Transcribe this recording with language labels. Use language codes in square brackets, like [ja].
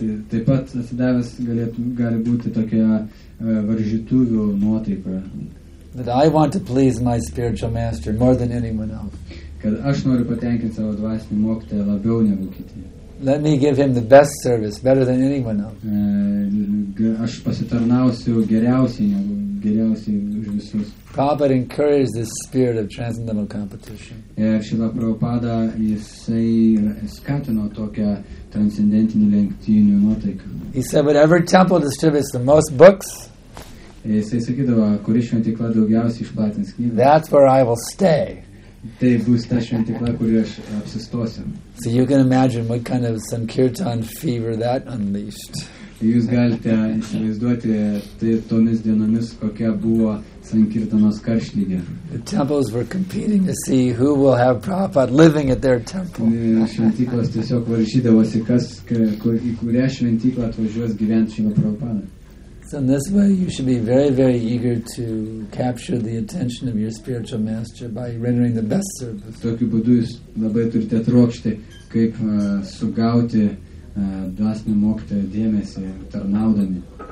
[lt] Taip pat atsidavęs gali būti tokia varžytuvių nuotaika. [en] That I want to please my spiritual master more than anyone else. [lt] Kad aš noriu patenkinti savo dvasinį mokytoją labiau negu kiti. [en] Let me give him the best service, better than anyone else. [lt] Aš pasitarnausiu geriausiai už visus. [en] Prabhupada encouraged this spirit of transcendental competition. [lt] Ir Šrila Prabhupada jisai skatino tokią transcendentinį lenktynių nuotaiką. [en] He said, whatever temple distributes the most books, [lt] jisai sakydavo, kuri šventykla daugiausiai išplatins knygų. [en] That's where I will stay. [lt] Tai bus ta šventykla, kuri aš apsistosiu. [en] So you can imagine what kind of sankirtan fever that unleashed. [lt] Jūs galite įsivaizduoti, tai tomis dienomis, kokia buvo sankirtanos karštlygė. [en] The temples were competing to see who will have Prabhupada living at their temple. [lt] Šventyklos tiesiog varžydavosi, kas į kurią šventyklą atvažiuos gyventi Šrila Prabhupada. [en] So in this way you should be very, very eager to capture the attention of your spiritual master by rendering the best service. [lt] Tokiu būdu jūs labai turite trokšti, kaip sugauti dvasinio mokytojo dėmesį tarnaudami.